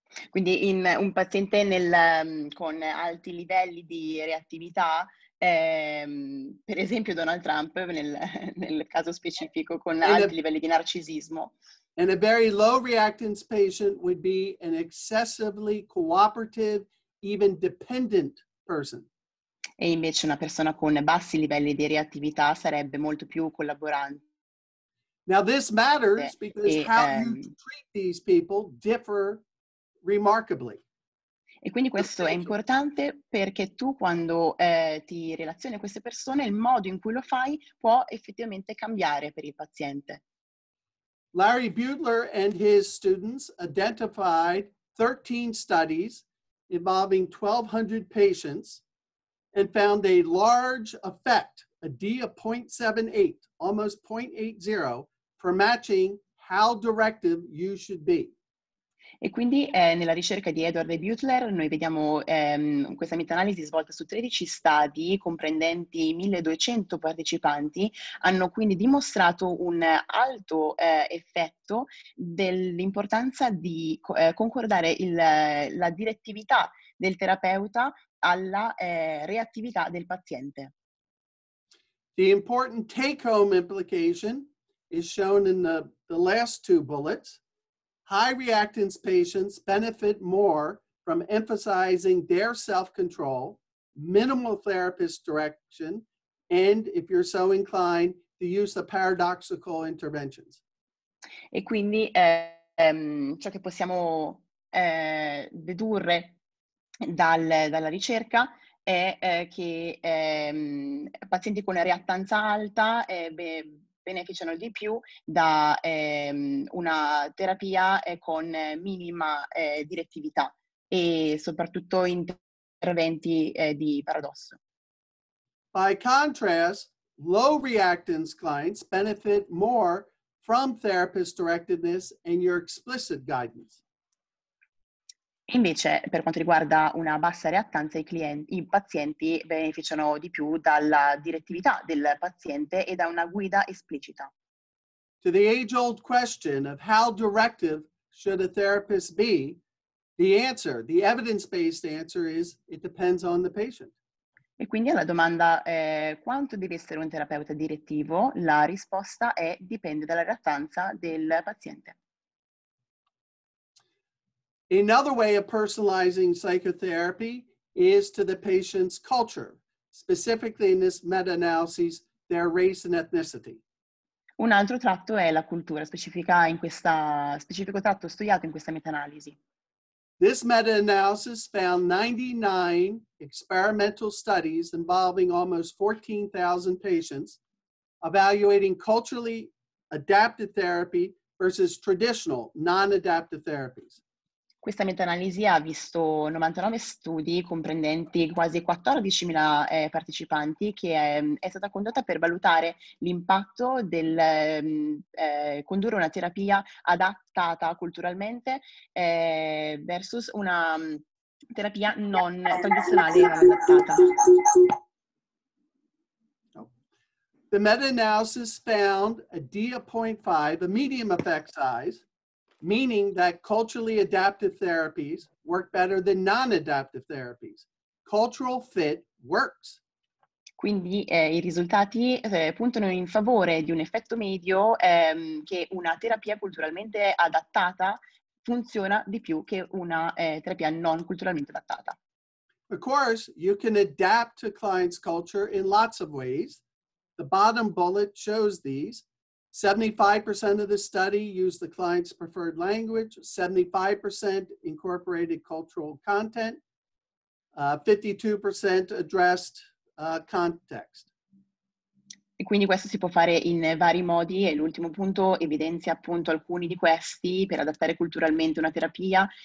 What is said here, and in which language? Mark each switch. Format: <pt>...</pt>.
<it>Quindi in un paziente con alti livelli di reattività, per esempio Donald Trump, nel caso specifico con alti livelli di narcisismo.</it> <en>And a very low reactance patient would be an excessively cooperative, even dependent person.</en> <it>E invece una persona con bassi livelli di reattività sarebbe molto più collaborante.</it> <en>Now this matters because how you treat these people differ remarkably.</en> <it>E quindi questo è importante perché tu quando ti relazioni a queste persone, il modo in cui lo fai può effettivamente cambiare per il paziente.</it> <en>Larry Butler and his students identified 13 studies involving 1,200 patients and found a large effect, a D of 0.78, almost 0.80, for matching how directive you should be.</en> <it>E quindi nella ricerca di Edward e Butler noi vediamo questa meta-analisi svolta su 13 studi comprendenti 1200 partecipanti hanno quindi dimostrato un alto effetto dell'importanza di concordare la direttività del terapeuta alla reattività del paziente.</it> <en>The important take-home implication is shown in the last two bullets. High reactance patients benefit more from emphasizing their self-control, minimal therapist direction, and if you're so inclined, the use of paradoxical interventions.</en> <it>E quindi ciò che possiamo dedurre dalla ricerca è che pazienti con reattanza alta beneficiano di più da una terapia con minima direttività e soprattutto interventi di paradosso.</it> <en>By contrast, low reactance clients benefit more from therapist directedness and your explicit guidance.</en> <it>Invece, per quanto riguarda una bassa reattanza, i pazienti beneficiano di più dalla direttività del paziente e da una guida esplicita.</it> <en>To the age-old question of how directive should a therapist be, the answer, the evidence-based answer is, it depends on the patient.</en> <it>E quindi alla domanda quanto deve essere un terapeuta direttivo, la risposta è dipende dalla reattanza del paziente.</it> <en>Another way of personalizing psychotherapy is to the patient's culture, specifically in this meta-analysis, their race and ethnicity.</en> <it>Un altro tratto è la cultura, specifico tratto studiato in questa meta-analisi.</it> <en>This meta-analysis found 99 experimental studies involving almost 14,000 patients evaluating culturally adapted therapy versus traditional non-adaptive therapies.</en> <it>Questa meta-analisi ha visto 99 studi comprendenti quasi 14.000 partecipanti che è stata condotta per valutare l'impatto del condurre una terapia adattata culturalmente versus una terapia non tradizionale adattata.</it> <en>The meta-analysis found a D of 0.5, a medium effect size, meaning that culturally adaptive therapies work better than non-adaptive therapies. Cultural fit works.</en> <it>Quindi i risultati puntano in favore di un effetto medio che una terapia culturalmente adattata funziona di più che una terapia non culturalmente adattata.</it> <en>Of course, you can adapt to clients' culture in lots of ways. The bottom bullet shows these. 75% of the study used the client's preferred language, 75% incorporated cultural content, 52% addressed context.</en> <it>E quindi questo si può fare in vari modi e l'ultimo punto evidenzia appunto alcuni di questi per adattare culturalmente una terapia.</it>